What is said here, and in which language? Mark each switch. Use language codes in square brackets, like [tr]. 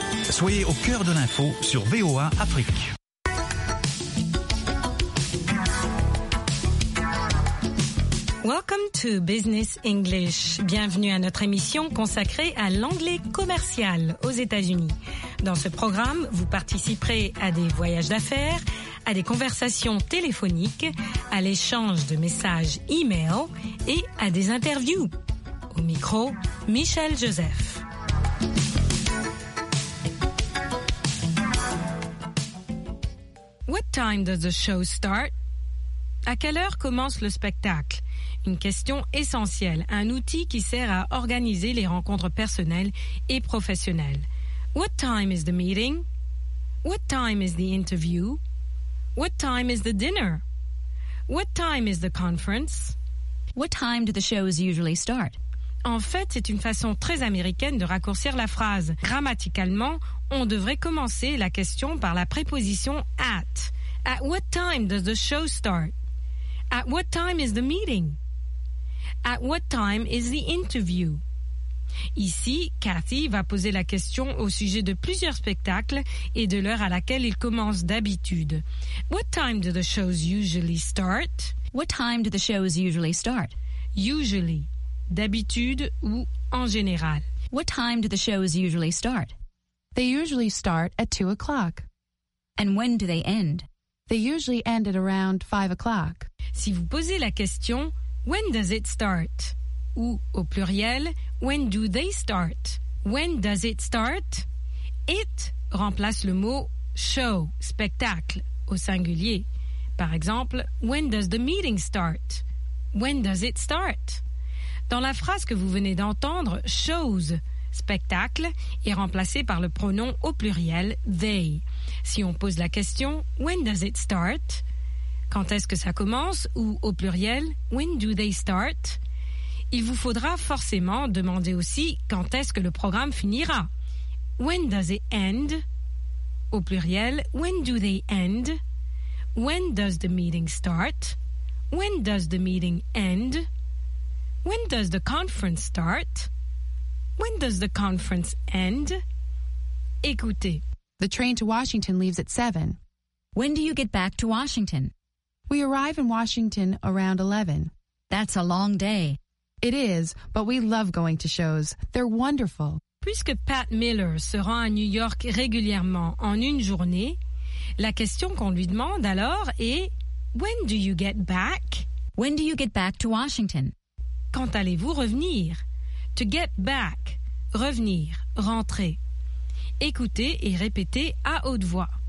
[fr] Soyez au cœur de l'info sur VOA Afrique. [en] Welcome to Business English. [fr] Bienvenue à notre émission consacrée à l'anglais commercial aux États-Unis. Dans ce programme, vous participerez à des voyages d'affaires, à des conversations téléphoniques, à l'échange de messages e-mail et à des interviews. Au micro, Michel Joseph. [en] What time does the show start? [fr] À quelle heure commence le spectacle? Une question essentielle, un outil qui sert à organiser les rencontres personnelles et professionnelles. [en] What time is the meeting? What time is the interview? What time is the dinner? What time is the conference? What time do the shows usually start? [fr] En fait, c'est une façon très américaine de raccourcir la phrase. Grammaticalement, on devrait commencer la question par la préposition at. [en] At what time does the show start? At what time is the meeting? At what time is the interview? [fr] Ici, Cathy va poser la question au sujet de plusieurs spectacles et de l'heure à laquelle ils commencent d'habitude. [en] What time do the shows usually start? What time do the shows usually start? [fr] Usually, d'habitude ou en général. [en] What time do the shows usually start? They usually start at 2 o'clock. And when do they end? They usually end at around 5 o'clock. [fr] Si vous posez la question, [en] when does it start? [fr] Ou au pluriel, [en] when do they start? When does it start? [fr] It remplace le mot show, spectacle, au singulier. Par exemple, [en] when does the meeting start? When does it start? [fr] Dans la phrase que vous venez d'entendre, shows, spectacle, est remplacé par le pronom au pluriel they. Si on pose la question, [en] when does it start? [fr] Quand est-ce que ça commence? Ou au pluriel, [en] when do they start? [fr] Il vous faudra forcément demander aussi quand est-ce que le programme finira. When does it end? Au pluriel, when do they end? [en] When does the meeting start? When does the meeting end? When does the conference start? When does the conference end? [fr] Écoutez. [en] The train to Washington leaves at 7. When do you get back to Washington? We arrive in Washington around 11. That's a long day. It is, but we love going to shows. They're wonderful. [fr] Puisque Pat Miller se rend à New York régulièrement en une journée, la question qu'on lui demande alors est [en] When do you get back? When do you get back to Washington? [fr] Quand allez-vous revenir? To get back, revenir, rentrer. Écoutez et répétez à haute voix.